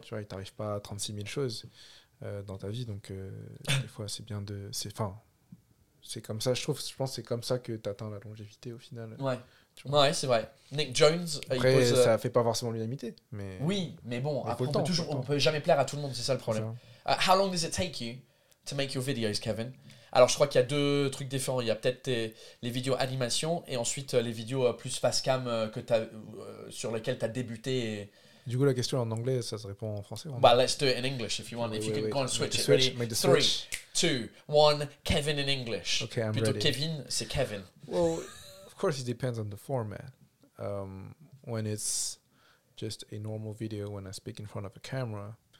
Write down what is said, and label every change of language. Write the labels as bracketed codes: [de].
[fr] Tu vois, il t'arrive pas à 36 000 choses dans ta vie, donc des fois, c'est bien de... C'est comme ça, je pense que c'est comme ça que t'atteins la longévité au final. Ouais. Ouais, c'est vrai. Nick Jones, après, il pose... ça fait pas forcément l'unanimité, mais... Oui, mais bon, après, on peut jamais plaire à tout le monde, c'est ça le problème. [en] How long does it take you to make your videos, Kevin? [fr] Alors, je crois qu'il y a deux trucs différents. Il y a peut-être les vidéos animation et ensuite les vidéos plus face cam sur lesquelles tu as débuté. Et... Du coup, la question en anglais, ça se répond en français. [en] Well, let's do it in English if you want. If you can go and switch it. Ready? Make the switch. 3, 2, 1, Kevin in English. Okay, I'm [fr] plutôt [en] ready. [fr] Kevin, c'est Kevin. [en] Well, of course, it depends on the format. When it's just a normal video, when I speak in front of a camera...